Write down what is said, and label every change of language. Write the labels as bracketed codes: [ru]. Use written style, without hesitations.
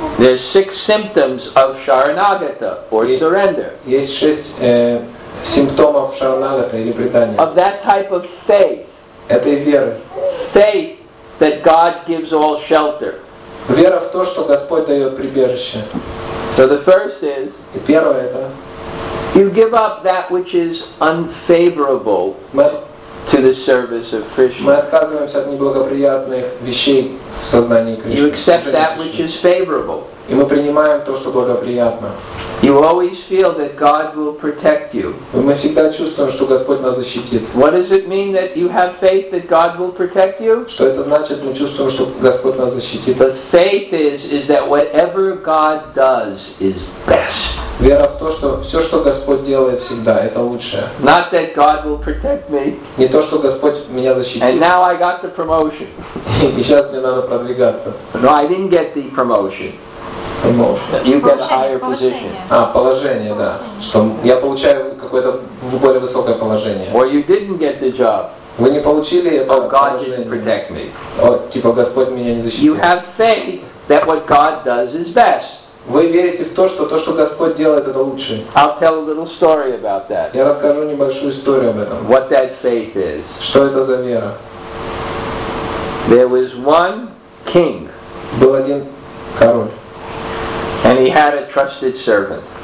[en] There's six symptoms of Sharanagata or surrender. [ru] Есть шесть симптомов Шаранагата или предания. [en] Of that type of faith. [ru] Этой веры. [en] Faith that God gives all shelter. [ru] Вера в то, что Господь дает прибежище. [en] So the first is, [ru] и первое это, [en] you give up that which is unfavorable to the service of Krishna. [ru] Мы отказываемся от неблагоприятных вещей в сознании Кришны. [en] You accept that which is favorable. [ru] И мы принимаем то, что благоприятно. [en] You always feel that God will protect you. [ru] Мы всегда чувствуем, что Господь нас защитит. [en] What does it mean that you have faith that God will protect you? [ru] Что это значит, мы чувствуем, что Господь нас защитит? [en] But faith is that whatever God does is best. [ru] Вера в то, что все, что Господь делает всегда, это лучшее. [en] Not that God will protect me. [ru] Не то, что Господь меня защитит. [en] And now I got the promotion. [ru] И сейчас мне надо продвигаться. [en] No, I didn't get the promotion. You get a higher position. [ru] А, положение, да. Что я получаю какое-то более высокое положение. [en] Or you didn't get the job. [ru] Вы не получили это [en] God [ru] положение. [en] Didn't protect me. [ru] Типа Господь меня не защитил. [en] You have faith that what God does is best. [ru] Вы верите в то, что Господь делает, это лучше. [en] I'll tell a little story about that. [ru] Я расскажу небольшую историю об этом. [en] What that faith is. [ru] Что это за вера? [en] There was one king. [ru] Был один король. [en] And he had a trusted servant.